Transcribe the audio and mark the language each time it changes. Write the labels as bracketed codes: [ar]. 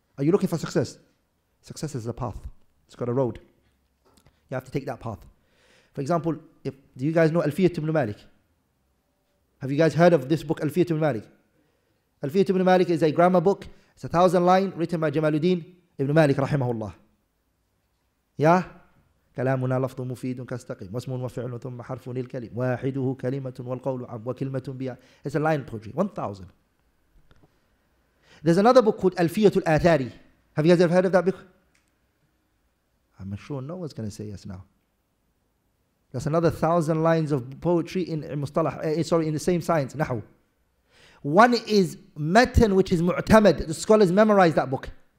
[en] Are you looking for success? Success is a path. It's got a road. You have to take that path. For example, do you guys know Alfiyat ibn Malik? Have you guys heard of this book, Alfiyat ibn Malik? Alfiyat ibn Malik is a grammar book. It's 1,000 lines written by Jamaluddin ibn Malik, rahimahullah. Yeah? [ar] كلامنا لفظ مفيد كاستقيم واسم وفعل ثم حرف للكلم واحده كلمة والقول عب وكلمة بيع. [en] It's a line poetry. 1,000. There's another book called ألفية الآثاري. Have you guys ever heard of that book? I'm sure no one's going to say yes now. That's another 1,000 lines of poetry in the same science, Nahu. One is Matan, which is Mu'tamad. The scholars memorize that book.